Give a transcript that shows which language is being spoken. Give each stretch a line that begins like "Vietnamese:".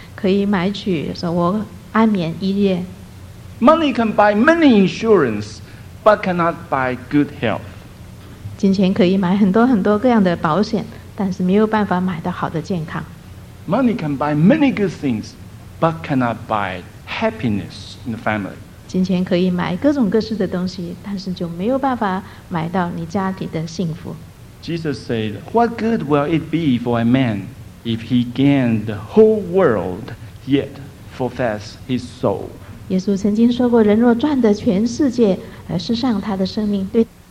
Chinese: 我们可以用钱买很大的房子，但是我们不能用金钱可以买取说我安眠一夜。
English: Money can buy many insurance, but cannot buy good health.
Chinese: 金钱可以买很多很多各样的保险，但是没有办法买到好的健康。
English: Money can buy many good things, but cannot buy happiness in the family.
Chinese: 金钱可以买各种各式的东西，但是就没有办法买到你家里的幸福。
English: Jesus said, "What good will it be for a man if he gain the whole world yet forfeits his soul?"
Chinese: 耶稣曾经说过，人若赚得全世界，失上他的生命，对